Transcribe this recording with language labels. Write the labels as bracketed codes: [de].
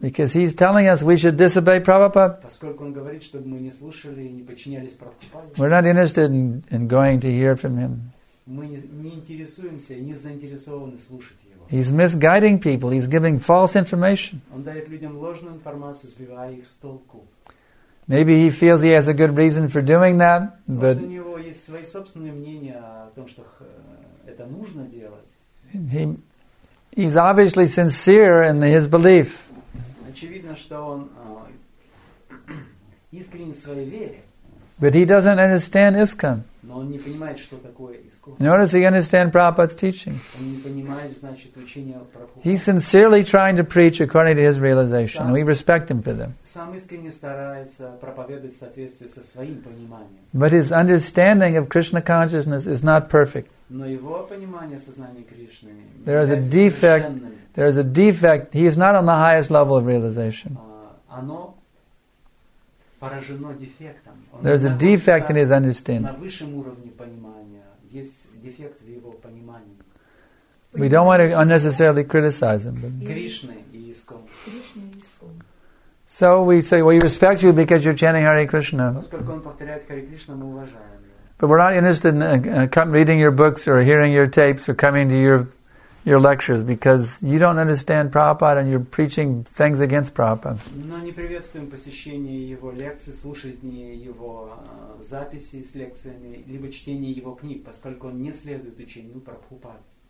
[en] Because he's telling us we should disobey Prabhupada. [ru] Поскольку он говорит, чтобы мы не слушали и не подчинялись Прабхупаде. [en] We're not interested in going to hear from him. [ru] Мы не интересуемся, не заинтересованы слушать его. [en] He's misguiding people. He's giving false information. [ru] Он дает людям ложную информацию, сбивая их с толку. [en] Maybe he feels he has a good reason for doing that, but. [ru] Может, у него есть свои собственные мнения о том, что это нужно делать. [en] He's obviously sincere in his belief. [ru] Очевидно, что он искренен в своей вере. [en] But he doesn't understand ISKCON. [ru] Но он не понимает, что такое ISKCON. [en] Nor does he understand Prabhupada's teaching. [ru] Он не понимает, значит, учение Прабхупады. [en] He's sincerely trying to preach according to his realization. We respect him for that. [ru] Сам искренне старается проповедовать в соответствии со своим пониманием. [en] But his understanding of Krishna consciousness is not perfect. [ru] Но его понимание сознания Кришны. [en] There is a defect. There is a defect. He is not on the highest level of realization. [ru] Оно поражено дефектом. [en] There is a defect in his understanding. [ru] На высшем уровне понимания есть дефект в его понимании. [en] We don't want to unnecessarily criticize him. [ru] Кришны и ИСКОН. [en] So we say, well, we respect you because you're chanting Hare Krishna. [ru] Поскольку он повторяет Hare Krishna, мы уважаем. [en] But we're not interested in reading your books or hearing your tapes or coming to your lectures because you don't understand Prabhupada and you're preaching things against Prabhupada. [ru] Но не приветствуем посещение его лекций, слушание его записей с лекциями, либо чтение его книг, поскольку он не следует учению Прабхупады.